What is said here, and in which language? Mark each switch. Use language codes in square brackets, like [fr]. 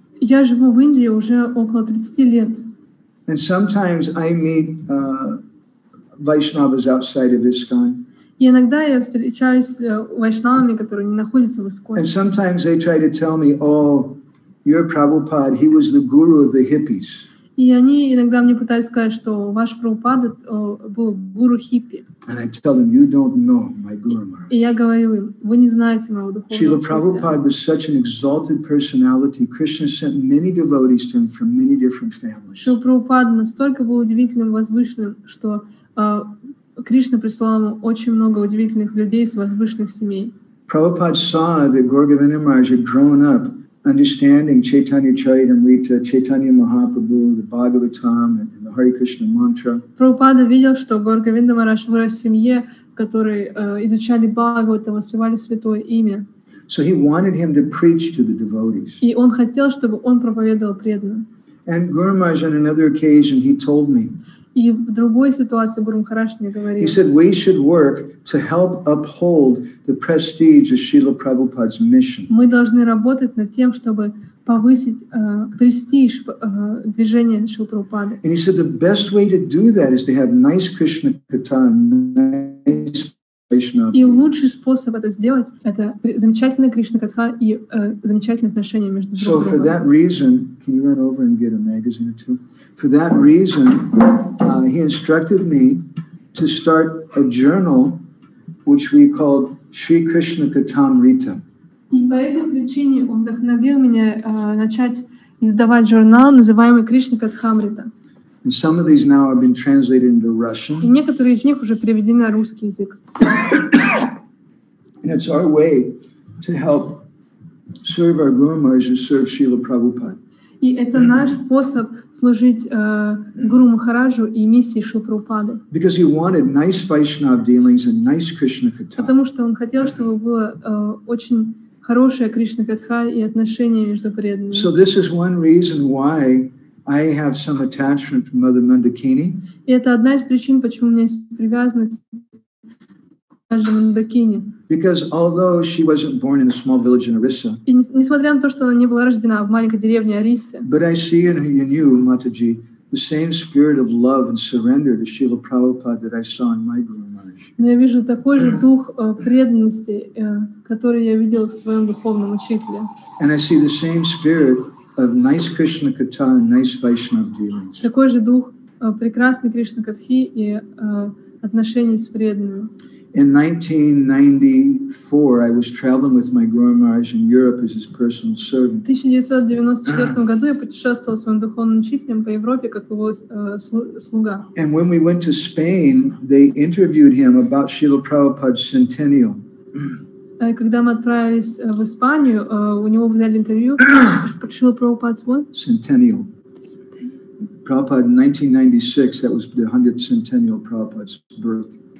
[ru] Я живу в Индии уже около 30 лет. [en] And sometimes I meet Vaishnavas outside of ISKCON. [ru] И иногда я встречаюсь с вайшнавами, которые не находятся в ИСККОНе. [en] And sometimes they try to tell me, "Oh, your Prabhupada, he was the guru of the hippies." [ru] И они иногда мне пытаются сказать, что ваш Прабхупада был гуру хиппи. [en] And I tell them, you don't know my guru. [ru] И я говорю им, вы не знаете моего духовного учителя. [en] Шрила Прабхупада was such an exalted personality. Krishna sent many devotees to him from many different families. [ru] Шрила Прабхупада настолько был удивительным, возвышенным, что Кришна прислал ему очень много удивительных людей из возвышенных семей. [en] Prabhupada saw that Gaurgavinda Maharaj had grown up understanding Chaitanya Charitamrita, Chaitanya Mahaprabhu, the Bhagavatam, and the Hare Krishna mantra. [ru] Prabhupada видел, что Гаургавинда Махарадж вырос в семье, которые изучали Бхагаватам, воспевали святое имя. [en] So he wanted him to preach to the devotees. [ru] И он хотел, чтобы он проповедовал преданным. [en] And Guru Maharaj on another occasion he told me. [ru] И в другой ситуации Гуру Махарадж мне говорил. [en] He said we should work to help uphold the prestige of Srila Prabhupada's mission. [ru] Мы должны работать над тем, чтобы повысить престиж движения Шрилы Прабхупады. [en] And he said the best way to do that is to have nice Krishna katha, nice Vaishnava. [ru] И лучший способ это сделать это замечательная Кришна катха и замечательные отношения между [en] So for that reason, can you run over and get a magazine or two? For that reason, he instructed me to start a journal, which we called Sri Krishna Kathamrita. [ru] И по этой причине он вдохновил меня начать издавать журнал, называемый Кришна Катхамрита. [en] And some of these now have been translated into Russian. [ru] И некоторые из них уже переведены на русский язык. [en] And it's our way to help serve our Guru Maharaj and serve Srila Prabhupada. [ru] И это наш способ служить Гуру Махараджу и миссии Шрилы Прабхупады. [en] Because he wanted nice Vaishnava dealings and nice Krishna katha. [ru] Потому что он хотел, чтобы было очень хорошее Кришна катха и отношения между преданными. [en] So this is one reason why I have some attachment to Mother Mandakini. [ru] И это одна из причин, почему у меня есть привязанность к Маджи Мандакини. [en] Because although she wasn't born in a small village in Orissa, [ru] несмотря на то, что она не была рождена в маленькой деревне Орисса, [en] but I see in you, Mataji, the same spirit of love and surrender to Srila Prabhupada that I saw in my Guru Maharaj. [ru] Но я вижу такой же дух преданности, который я видел в своем духовном учителе. [en] And I see the same spirit of nice Krishna katha and nice Vaishnava dealings. [ru] Такой же дух прекрасной Кришна катхи и отношений с преданными. [en] In 1994, I was traveling with my Guru Maharaj in Europe as his personal servant. [ru] В 1994 году я путешествовал с моим духовным учителем по Европе как его слуга. [en] And when we went to Spain, they interviewed him about Srila Prabhupada's centennial. [ru] Когда мы отправились в Испанию, у него взяли интервью про [en] Srila Prabhupada's what? Centennial. Prabhupada, 1996, that was the 100th centennial of Prabhupada's birth.